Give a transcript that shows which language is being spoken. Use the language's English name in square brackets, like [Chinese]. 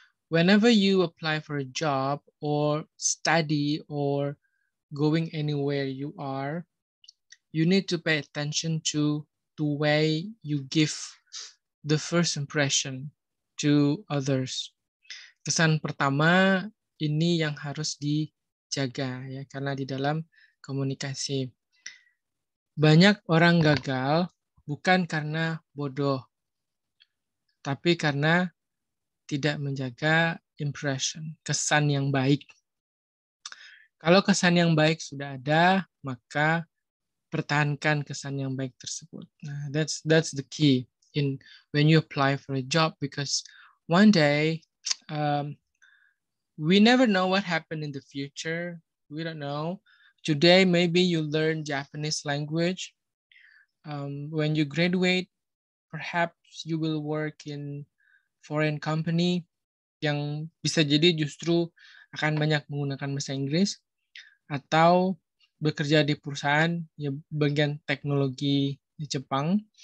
[English] Whenever you apply for a job or study or going anywhere you are, you need to pay attention to the way you give the first impression to others. [Indonesian] Kesan pertama ini yang harus dijaga ya, karena di dalam komunikasi. Banyak orang gagal bukan karena bodoh, tapi karena tidak menjaga impression, kesan yang baik. Kalau kesan yang baik sudah ada, maka pertahankan kesan yang baik tersebut. [English] Nah, that's the key in when you apply for a job, because one day we never know what happened in the future. We don't know. Today, maybe you learn Japanese language. When you graduate, perhaps you will work in foreign company [Indonesian] yang bisa jadi justru akan banyak menggunakan bahasa Inggris, atau bekerja di perusahaan ya, bagian teknologi di Jepang.